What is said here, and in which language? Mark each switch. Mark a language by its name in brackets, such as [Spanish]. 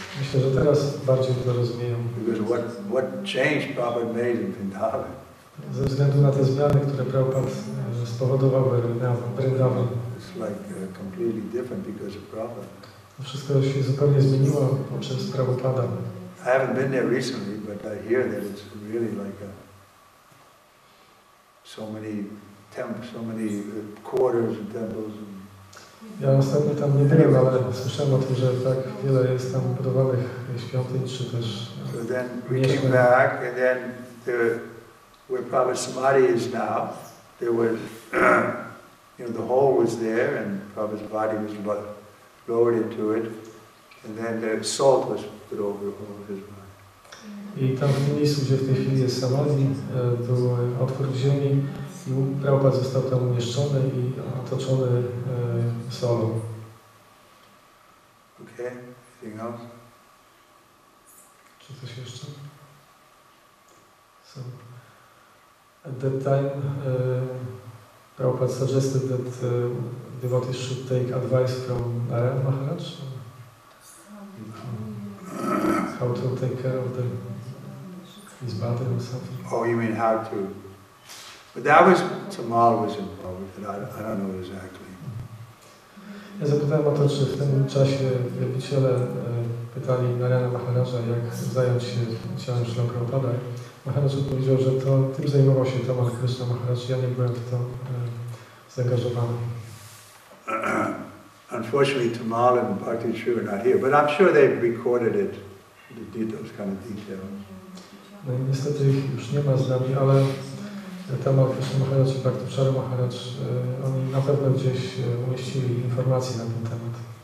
[Polish] Myślę, że teraz bardziej to rozumieją. [English] Because what change Prabhupada made in Vrindavan. [Polish] Ze względu na te zmiany, które Prabhupada spowodował w Vrindavan. [English] It's like completely different because of Prabhupada. [Polish] Wszystko się zupełnie zmieniło poprzez Prabhupada. [English] I haven't been there recently, but I hear that it's really like a, so many temples, so many quarters and temples. [Polish] Ja ostatnio tam nie byłem, ale słyszałem o tym, że tak wiele jest tam budowanych świątyń, czy też. [English] So then we came back, and then where Prabhupada Samadhi is now, there was, you know, the hole was there, and Prabhupada's body was lowered into it, and then the salt was put over the hole of his body. [Polish] I tam w tym miejscu, gdzie w tej chwili jest samadhi, to otwór w ziemi i Prabhupada został tam umieszczony i otoczony solą. [English] Okay, anything else? [Polish] Czy coś jeszcze? [English] So, at that time, Prabhupada suggested that devotees should take advice from Narayan Maharaj. How to take care of the his body or something. Oh, you mean how to? But that was Tamal was involved with it. I don't know exactly. [Polish] Ja zapytałem o to, czy w tym czasie wielbiciele pytali Narayana Maharaja, jak zająć się ciałem Śrila Prabhupada. Maharaj odpowiedział, że to tym zajmował się Tamal Krishna Maharaj. Ja nie byłem w to zaangażowany. [English] Unfortunately, Tamal and Bhakti Shri are not here, but I'm sure they've recorded it. They did those kind of details. [Polish] No i niestety ich już nie ma z nami, ale Tamal Krishna Maharaj i Bhakti Shri Maharaj, oni na pewno gdzieś umieścili informacje na ten temat.